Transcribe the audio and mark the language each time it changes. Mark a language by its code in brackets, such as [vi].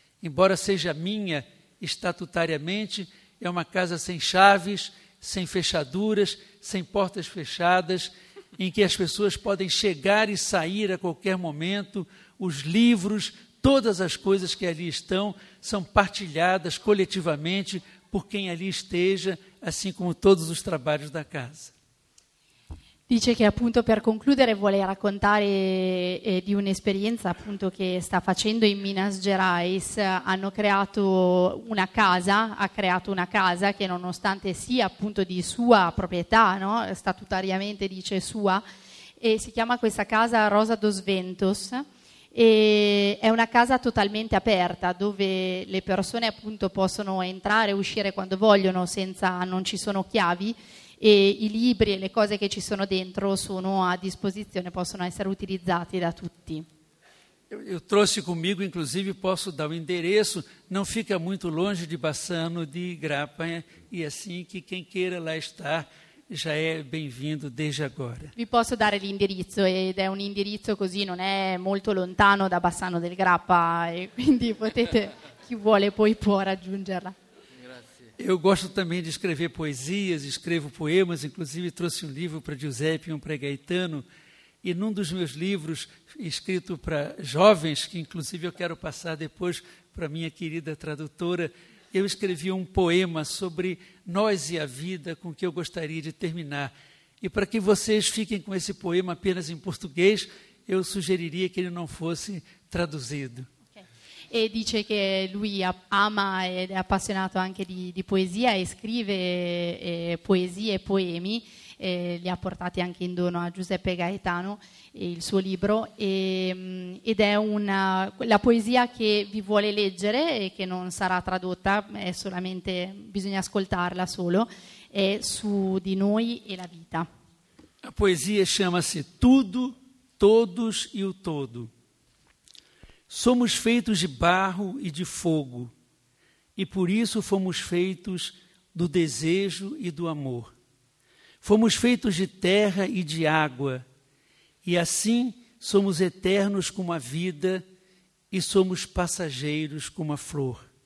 [pt] Embora seja minha estatutariamente, é uma casa sem chaves, sem fechaduras, sem portas fechadas, em que as pessoas podem chegar e sair a qualquer momento. Os livros, todas as coisas que ali estão, são partilhadas coletivamente por quem ali esteja, assim como todos os trabalhos da casa. [it] Dice che appunto per concludere vuole raccontare di un'esperienza appunto che sta facendo in Minas Gerais. Hanno creato una casa, ha creato una casa che nonostante sia appunto di sua proprietà, no? Statutariamente dice sua, e si chiama questa casa Rosa dos Ventos. E è una casa totalmente aperta dove le persone appunto possono entrare e uscire quando vogliono senza, non ci sono chiavi. E i libri e le cose che ci sono dentro sono a disposizione, possono essere utilizzati da tutti. Io [pt] trouxe comigo, inclusive posso dar o endereço, [it] non [pt] fica [it] molto [pt] longe di Bassano, di Grappa, e assim que quem queira lá estar já é bem-vindo desde agora. [it] Vi posso dare l'indirizzo, ed è un indirizzo così, non è molto lontano da Bassano del Grappa, e quindi potete, chi vuole poi può raggiungerla. [pt] Eu gosto também de escrever poesias, escrevo poemas, inclusive trouxe um livro para Giuseppe e um para Gaetano, e num dos meus livros, escrito para jovens, que inclusive eu quero passar depois para minha querida tradutora, eu escrevi um poema sobre nós e a vida com que eu gostaria de terminar. E para que vocês fiquem com esse poema apenas em português, eu sugeriria que ele não fosse traduzido. [it] E dice che lui ama ed è appassionato anche di poesia e scrive poesie e poemi, li ha portati anche in dono a Giuseppe Gaetano, il suo libro, ed è una, la poesia che vi vuole leggere e che non sarà tradotta, è solamente, bisogna ascoltarla solo, è su di noi e la vita. La poesia chiama-se Tudo, Todos e o Todo. [pt] Somos feitos de barro e de fogo, e por isso fomos feitos do desejo e do amor. Fomos feitos de terra e de água, e assim somos eternos como a vida e somos passageiros como a flor.